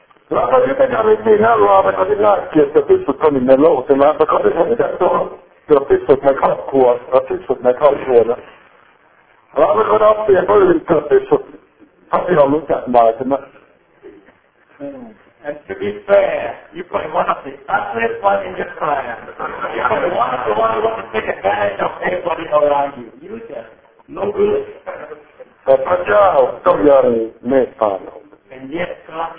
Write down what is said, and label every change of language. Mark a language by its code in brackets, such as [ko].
[th] เราไม่เป็นอะไรจริงนะเราเป็นคนที่น่าเกลียดที่สุดคนหนึ่งในโลกใช่ไหมเป็นคนที่ผมจะต้องเกลียดที่สุดในครอบครัวและที่สุดในครอบครัวนะเราเป็นคนเอาเปรียบคนอื่นเกลียดที่สุดถ้าที่เรารู้จักมาใช่ไหม [en] And to be fair, you probably one of the ugliest one in your clan. You probably one of the ones who wants to take advantage of everybody around you. You just no good. [th] แต่พระเจ้าต้องยังเมตตาเรา